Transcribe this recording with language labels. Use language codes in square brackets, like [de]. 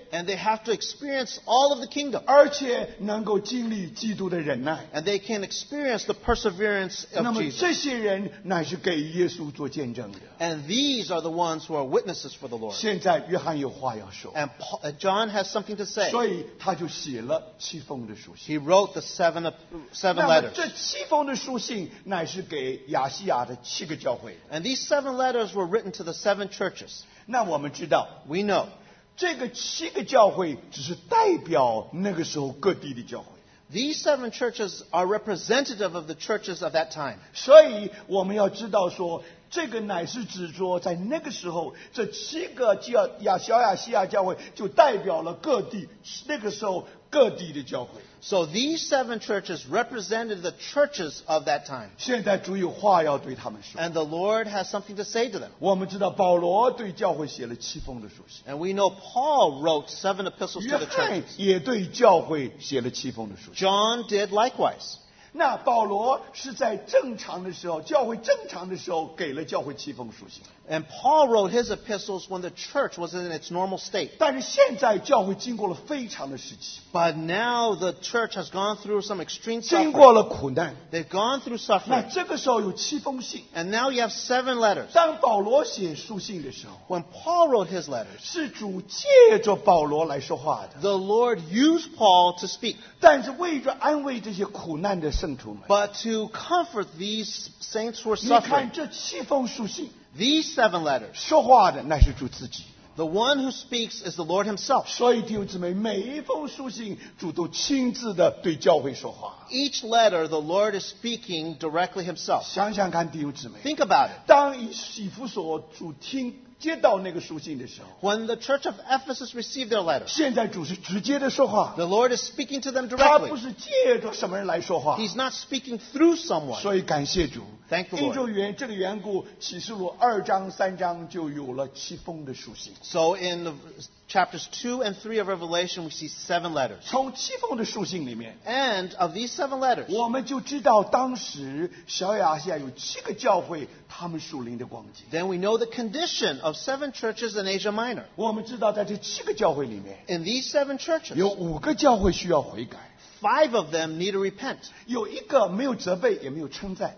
[en] and they have to experience all of the kingdom. [zh] 而且能够经历基督的忍耐, [en] and they can experience the perseverance of [zh] 那么这些人乃是给耶稣做见证的, [en] Jesus. And these are the ones who are witnesses for the Lord. [zh] 现在约翰有话要说, [en] and Paul, John has something to say. [zh] 所以他就写了七封的书信, [en] he wrote the seven letters. [zh] 这七封的书信乃是给亚细亚的七个教会, [en] and these seven letters were written to the seven churches. [zh] 那我们知道, [en] we know, [zh] 这个七个教会只是代表那个时候各地的教会, [en] these seven churches are representative of the churches of that time. [zh] 所以我们要知道说, 这个乃是指说在那个时候, 这七个亚细亚教会就代表了各地那个时候各地的教会, [en] so these seven churches represented the churches of that time. [zh] 现在主有话要对他们说, [en] and the Lord has something to say to them. [zh] 我们知道保罗对教会写了七封的书信, [en] and we know Paul wrote seven epistles to the churches. [zh] 约翰也对教会写了七封的书信, [en] John did likewise. [zh] 那保罗是在正常的时候, 教会正常的时候, 给了教会七封书信, [en] and Paul wrote his epistles when the church was in its normal state. [zh] 但是现在教会经过了非常的时期, [en] but now the church has gone through some extreme suffering. [zh] 经过了苦难, [en] they've gone through suffering. [zh] 那这个时候有七封信, [en] and now you have seven letters. [zh] 当保罗写书信的时候, [en] when Paul wrote his letters, [zh] 是主借着保罗来说话的, [en] the Lord used Paul to speak. [zh] 但是为着安慰这些苦难的圣徒们, [en] but to comfort these saints who are suffering, [zh] 你看这七封书信, [en] these seven letters, [zh] 说话的乃是主自己, [en] the one who speaks is the Lord himself. [zh] 所以弟兄姊妹, 每一封书信, 主都亲自的对教会说话, [en] each letter the Lord is speaking directly himself. [zh] 想想看弟兄姊妹, [en] think about it. [zh] 当以以弗所主听, [en] when the church of Ephesus received their letter, [zh] 现在主是直接的说话, [en] the Lord is speaking to them directly. [zh] 他不是借着什么人来说话, [en] he's not speaking through someone. [zh] 所以感谢主, [en] thank the Lord. [zh] 因着原这个缘故, 启示录二章三章就有了七封的书信, [en] so in the chapters 2 and 3 of Revelation, we see seven letters. [zh] 从七封的书信里面, [en] and of these seven letters, [zh] 我们就知道当时小亚细亚有七个教会, [en] then we know the condition of seven churches in Asia Minor. [zh] 我们知道在这七个教会里面, [en] in these seven churches, [zh] 有五个教会需要悔改, [en] five of them need to repent. [zh] 有一个没有责备也没有称赞,